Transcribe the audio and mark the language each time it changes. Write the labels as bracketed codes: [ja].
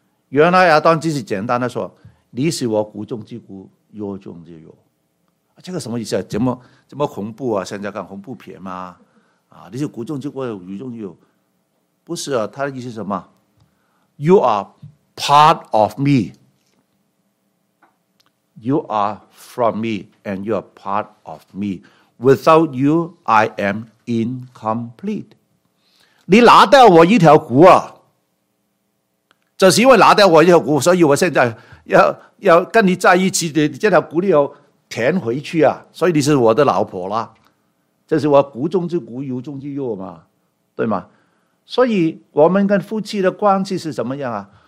[zh] 原来亚当只是简单的说，你是我骨中之骨，肉中之肉。这个什么意思啊？怎么恐怖啊？现在看恐怖片吗？你是骨中之骨，肉中之肉。不是啊，他的意思是什么？ [en] You are part of me. You are from me and you are part of me. Without you, I am incomplete. [zh] 你拿掉我一条骨啊，就是因为拿掉我一条骨，所以我现在 要跟你在一起，这条骨你要填回去啊，所以你是我的老婆啦。这是我骨中之骨，肉中之肉嘛，对吗？所以我们跟夫妻的关系是怎么样啊？